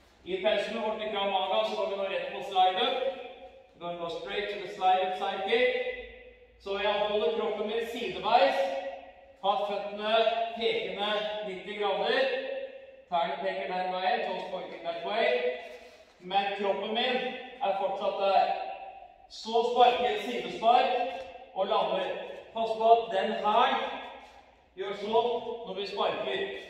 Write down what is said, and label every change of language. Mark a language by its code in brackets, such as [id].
[no] I pelsen med vårt mikro maga så går vi nå rett på slide up. [en] We're going to go straight to the slide up side kick. [no] Så jeg holder kroppen min sideveis. Ha føttene pekende 90 grader. Tærne peker den veien, [en] toes pointing that way. [no] Men kroppen min fortsatt der. Så sparker jeg sidespark og lander. Pass på at den her gjør sånn når vi sparker.